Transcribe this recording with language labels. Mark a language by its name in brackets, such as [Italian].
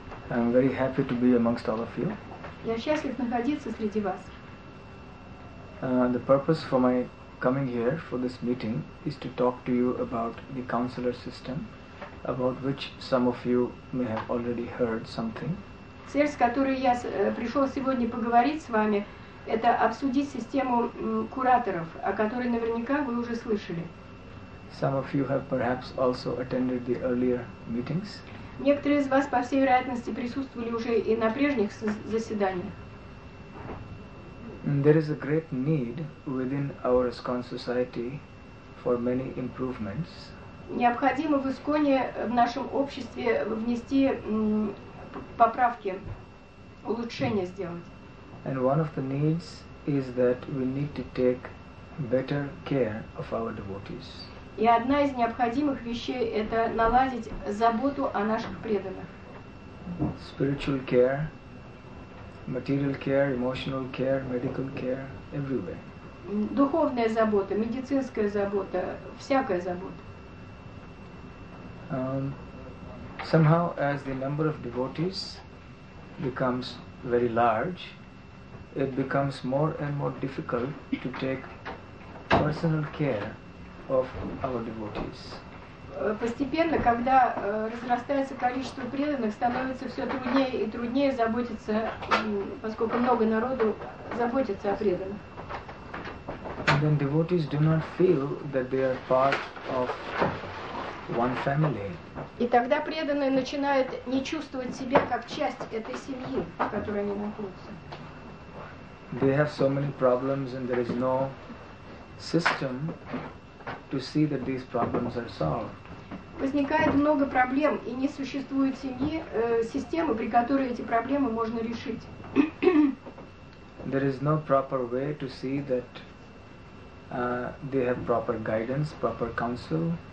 [English] I'm very happy to be amongst all of you. [Russian] Я счастлив находиться среди вас. [English] The purpose for my coming here for this meeting is to talk to you about the counselor system, about which some of you may have already heard something. [Russian] Цель, с которой я пришел сегодня поговорить с вами, это обсудить систему кураторов, о которой наверняка вы уже слышали. [English] Some of you have perhaps also attended the earlier meetings. [Russian] Некоторые из вас, по всей вероятности, присутствовали уже и на прежних заседаниях. [English] There is a great need within our ISKCON society for many improvements. [Russian] Необходимо в ИСКОНе, в нашем обществе, внести поправки, улучшения сделать. [English] And one of the needs is that we need to take better care of our devotees. [Russian] И одна из необходимых вещей – это наладить заботу о наших преданных. [English] Spiritual care, material care, emotional care, medical care, everywhere. [Russian] Духовная забота, медицинская забота, всякая забота. [English] Somehow, as the number of devotees becomes very large, it becomes more and more difficult to take personal care of our devotees. [Russian] Постепенно, когда разрастается количество преданных, становится все труднее и труднее заботиться, поскольку много народу заботится о преданных. [English] And then devotees do not feel that they are part of one family. [Russian] И тогда преданные начинают не чувствовать себя как часть этой семьи, в которой они находятся. [English] They have so many problems, and there is no system to see that these problems are solved. [Russian] Возникает много проблем, и не существует семьи, системы, при которой эти проблемы можно решить. [English] There is no proper way to see that they have proper guidance, proper counsel.